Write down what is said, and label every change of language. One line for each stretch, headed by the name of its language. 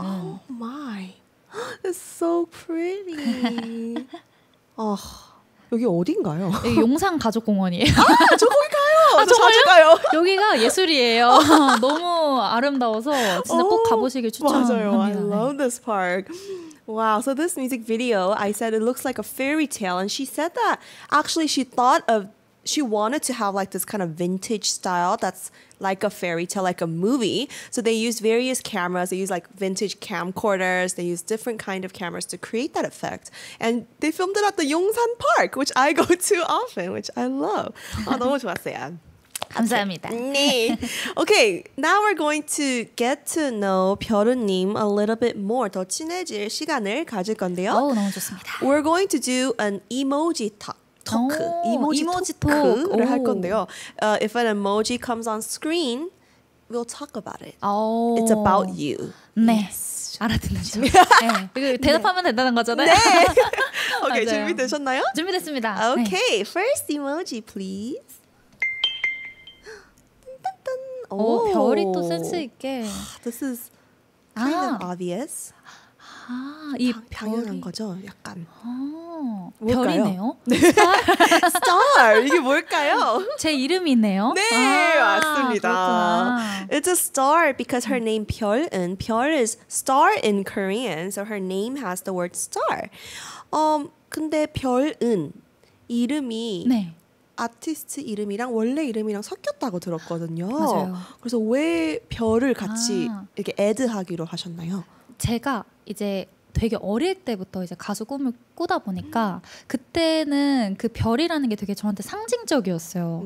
English: Oh my. It's so pretty.
Korean: 여기 어딘가요? 여기 용산 가족공원이에요. 아, 저 거기 가요. 저 자주 가요. 여기가 예술이에요. 너무 아름다워서 진짜 꼭 가보시길 추천합니다. 맞아요.
English: I love this park. Wow, so this music video, I said it looks like a fairy tale, and she said that actually she thought of, she wanted to have like this kind of vintage style that's like a fairy tale, like a movie. So they used various cameras. They used like vintage camcorders. They used different kind of cameras to create that effect. And they filmed it at the Yongsan Park, which I go to often, which I love.
Korean: Oh, 너무 좋았어요. 감사합니다. 네.
English: Okay, now we're going to get to know 별은님 a little bit more.
Korean: 더 친해질 시간을 가질 건데요. 오, 너무 좋습니다.
English: We're going to do an emoji talk.
Korean: 토크, 오, 이모지 토크를 토크. 할 건데요.
English: If an emoji comes on screen, we'll talk about it.
Korean: 오.
English: It's about you.
Korean: 네, yes. 알아듣는 네. 대답하면 네. 된다는 거잖아요. 네. Okay, 준비되셨나요? 준비됐습니다.
English: Okay, 네. first emoji, please.
Korean: 오, 별이 또 센스 있게.
English: This is kind of obvious.
Korean: 아, 이 병연한 거죠, 약간. 아, 별이네요. star 이게 뭘까요? 제 이름이네요. 네, 아, 맞습니다. 그렇구나.
English: It's a star because her name 별은 별 is star in Korean, so her name has the word star.
Korean: 근데 별은 이름이 네. 아티스트 이름이랑 원래 이름이랑 섞였다고 들었거든요. 맞아요. 그래서 왜 별을 같이 아. 이렇게 애드하기로 하셨나요? 제가 이제 되게 어릴 때부터 이제 가수 꿈을 꾸다 보니까 그때는 그 별이라는 게 되게 저한테 상징적이었어요.